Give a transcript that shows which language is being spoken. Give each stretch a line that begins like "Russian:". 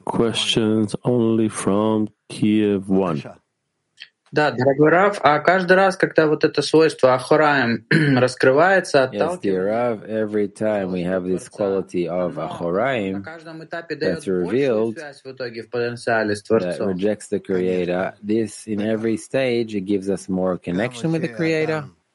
English: questions only from Kiev 1.
Russian: Да, дорогой Рав, а каждый раз, когда вот это свойство Ахораем раскрывается, отталкивается, на каждом этапе дает большую связь в итоге в потенциале с Творцом.
English: That rejects the Creator. This, in every stage, it gives us more connection with the Creator.